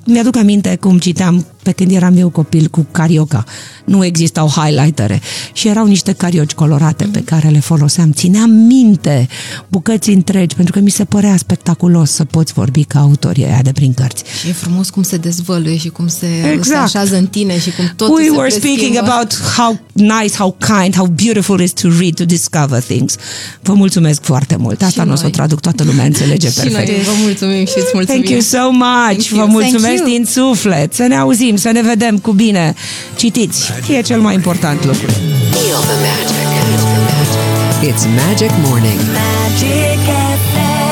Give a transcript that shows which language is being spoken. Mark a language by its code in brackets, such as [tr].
[ro] Mi-aduc aminte cum citeam pe când eram eu copil cu carioca. Nu existau highlightere și erau niște carioci colorate pe care le foloseam. Țineam minte bucăți întregi pentru că mi se părea spectaculos să poți vorbi ca autorie aia de prin cărți. Și e frumos cum se dezvăluie și cum se, se așează în tine și cum tot [en] we [ro] se [en] were speaking about how nice, how kind, how beautiful it is to read, to discover things. [ro] Vă mulțumesc foarte mult. Asta nu o să o traduc, toată lumea înțelege și perfect. Noi vă mulțumim și îți mulțumim. [en] Thank you so much. Thank you. [ro] Vă mulțumesc din suflet. Să ne auzim, să ne vedem cu bine. Citiți. E cel mai important lucru. [en] Feel the magic. It's Magic Morning. Magic FM.